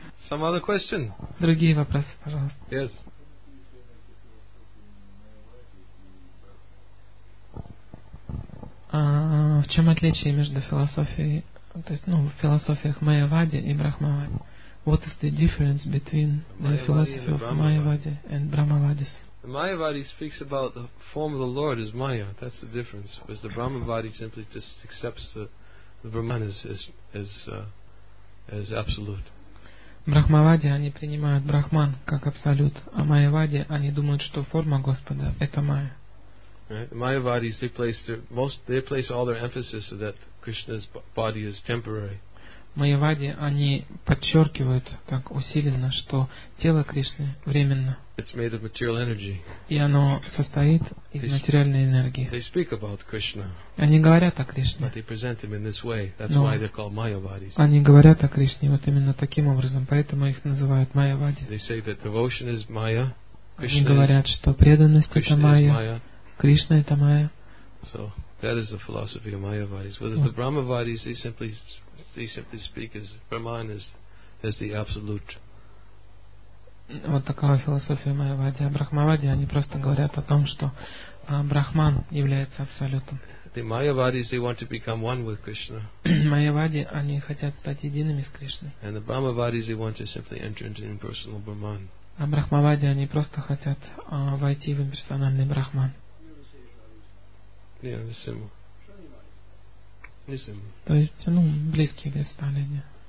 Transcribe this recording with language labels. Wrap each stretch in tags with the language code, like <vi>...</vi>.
<en>Some other question?</en> <ru>Другие вопросы, пожалуйста.</ru> <en>Yes.</en> <ru>В чем отличие между философией, то есть, ну, в философиях Майявади и Брахмавади?</ru> <en>What is the difference between the philosophy of Mayavadi and Brahmavadis? The Mayavadi speaks about the form of the Lord is Maya. That's the difference. Whereas the Brahmavadi simply just accepts the Brahman as absolute.</en> <ru>Брахмавади, они принимают Брахман как абсолют, а Майявади, они думают, что форма Господа – это Майя.</ru> <en>Right? Майявадис, they place all their emphasis so that Krishna's body is temporary.</en> <ru>Майявади, они подчеркивают так усиленно, что тело Кришны временно.</ru> <en>It's made of material energy.</en> <ru>И оно состоит из материальной энергии.</ru> <en>They speak about Krishna.</en> <ru>Они говорят о Кришне.</ru> <en>But they present him in this way. That's why they're called Mayavadis.</en> <ru>Они говорят о Кришне вот именно таким образом, поэтому их называют Майявади.</ru> <en>They say that devotion is Maya.</en> <ru>Они говорят, что преданность это Майя. Кришна это Майя.</ru> <en>So that is the philosophy of Mayavadis. Whereas the Brahmavadis, they simply speak as Brahman as the absolute.</en> <ru>Вот такая философия Майявади. А Брахмавади, они просто говорят о том, что Брахман является абсолютом.</ru> <en>The Mayavadis, they want to become one with Krishna.</en> <ru>Майявади, они хотят стать едиными с Кришной.</ru> <en>And the Brahmavadis, they want to simply enter into impersonal Brahman.</en> <ru>А Брахмавади, они просто хотят войти в имперсональный Брахман.</ru> <en>Yeah, the symbol.</en> <ru>То есть, ну, близкие для Сталина.</ru>